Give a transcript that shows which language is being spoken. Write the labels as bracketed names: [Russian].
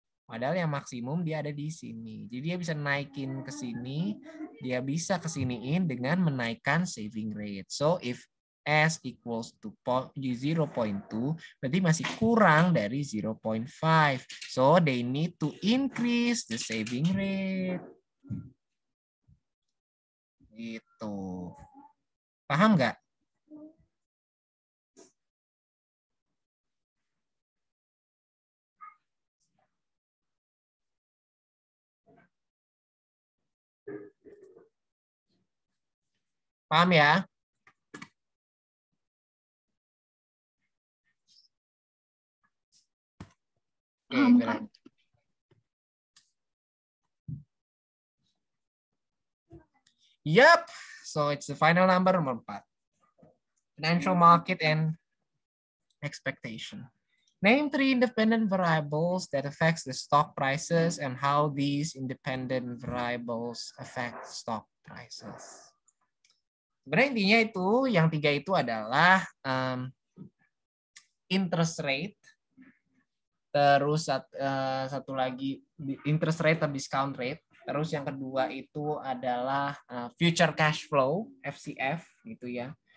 [Indonesian] Padahal yang maksimum dia ada di sini. Jadi dia bisa naikin ke sini, dia bisa ke siniin dengan menaikkan saving rate. [English] So if S equals to 0.2 [Indonesian] berarti masih kurang dari [English] 0.5. So they need to increase the saving rate. [Indonesian] Gitu. Paham nggak? Paham ya? Paham, Kak. [English] Yep. So it's the final number, [Indonesian] nomor 4. [English] Financial market and expectation. Name 3 independent variables that affects the stock prices and how these independent variables affect stock prices. [Indonesian] Sebenarnya intinya itu, yang 3 itu adalah [English] interest rate, [Indonesian] terus satu lagi interest rate atau [English] discount rate. [Indonesian] Terus yang kedua itu adalah [English] future cash flow, [Indonesian] FCF gitu ya.